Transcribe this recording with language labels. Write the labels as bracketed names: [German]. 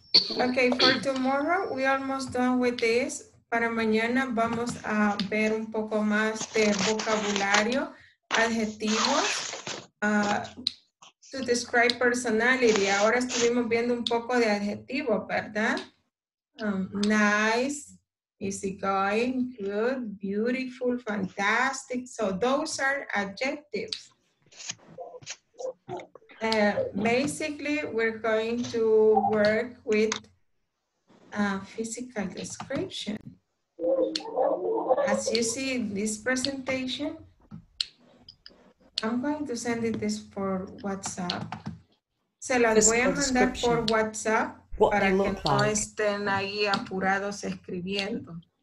[English] Okay, for tomorrow, we almost done with this. [Spanish] Para mañana vamos a ver un poco más de vocabulario, adjetivos, [English] to describe personality. [Spanish] Ahora estuvimos viendo un poco de adjetivo, ¿verdad? [English] Nice, easygoing, good, beautiful, fantastic. So those are adjectives. Basically, we're going to work with physical description. As you see in this presentation, I'm going to send it this for WhatsApp. [Spanish] Se las voy a mandar por WhatsApp para que no estén ahí apurados escribiendo.